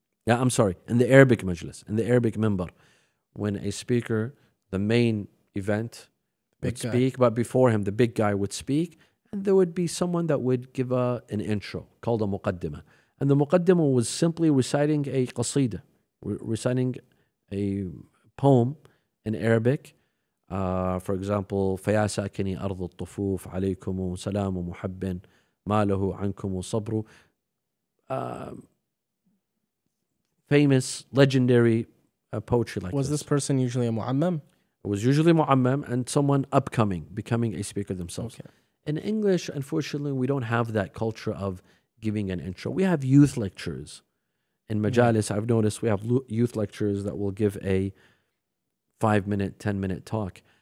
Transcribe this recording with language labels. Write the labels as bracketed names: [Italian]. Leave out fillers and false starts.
[English] Yeah, I'm sorry, in the Arabic majlis, in the Arabic minbar. When a speaker, the main event, would speak, but before him, the big guy would speak, and there would be someone that would give an intro called a muqaddimah. And the muqaddimah was simply reciting a qasida, reciting a poem in Arabic. For example, [Arabic] فَيَا سَاكِنِي أَرْضُ الطُّفُوفِ عَلَيْكُمُ سَلَامُ مُحَبِّنْ مَالَهُ عَنْكُمُ صَبْرُ. [English] Famous, legendary poetry like this. Was this person usually a mu'ammam? It was usually mu'ammam and someone upcoming, becoming a speaker themselves. Okay. In English, unfortunately, we don't have that culture of giving an intro. We have youth lectures. In majalis, I've noticed we have youth lectures that will give a 5-minute, 10-minute talk.